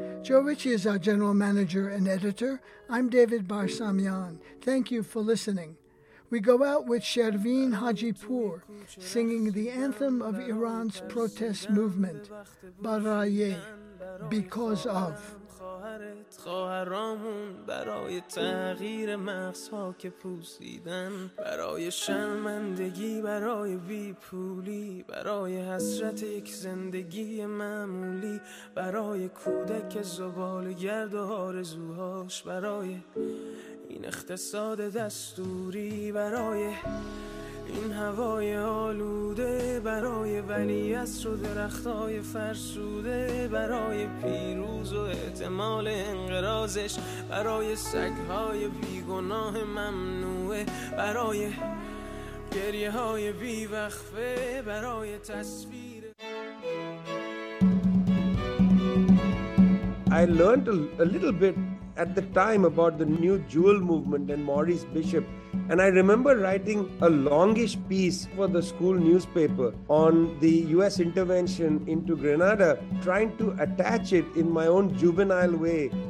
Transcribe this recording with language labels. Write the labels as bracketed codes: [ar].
[en] Joe Ritchie is our general manager and editor. I'm David Barsamian. Thank you for listening. We go out with Shervin Hajipour singing the anthem of Iran's protest movement, Baraye, Because Of. [fa] خواهرامون برای تغییر مغزها که پوسیدن، برای شرمندگی، برای بیپولی، برای حسرت یک زندگی معمولی، برای کودک زبال گرد و آرزوهاش، برای این اقتصاد دستوری، برای این هوای آلوده، برای ولیعصر و درختهای فرسوده، برای پیروز و احتمال انقراضش، برای سگهای بیگناه ممنوعه، برای گریه های بیوقفه، برای تصویر. [en] I learned a little bit at the time about the new jewel movement and Maurice Bishop. And I remember writing a longish piece for the school newspaper on the US intervention into Grenada, trying to attach it in my own juvenile way